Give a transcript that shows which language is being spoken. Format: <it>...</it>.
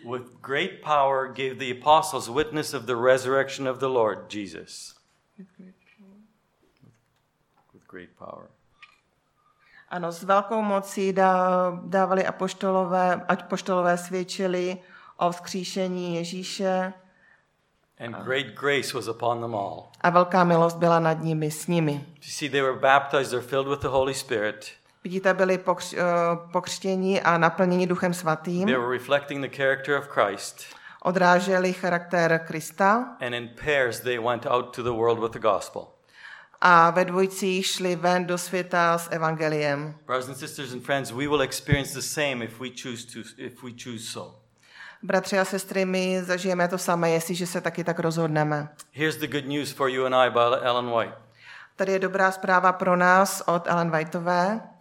<en>With great power gave the apostles witness of the resurrection of the Lord Jesus. With great power.</en> <cs>Ano, s velkou mocí dávali apoštolové, ať apoštolové svědčili o vzkříšení Ježíše.</cs> <en>And great grace was upon them all.</en> <cs>A velká milost byla nad nimi, s nimi.</cs> <en>You see, they were baptized, they're filled with the Holy Spirit.</en> <cs>Vidíte, byli pokřtěni a naplněni Duchem Svatým.</cs> <en>They were reflecting the character of Christ.</en> <cs>Odráželi charakter Krista.</cs> <en>And in pairs they went out to the world with the gospel.</en> <cs>A ve dvojicích šli ven do světa s evangeliem.</cs> <en>Brothers and sisters and friends, we will experience the same if we choose so.</en> <cs>Bratři a sestry, my zažijeme to samé, jestliže se taky tak rozhodneme.</cs> <en>Here's the good news for you and I by Ellen White.</en> <cs>Tady je dobrá zpráva pro nás od Ellen Whiteové.</cs>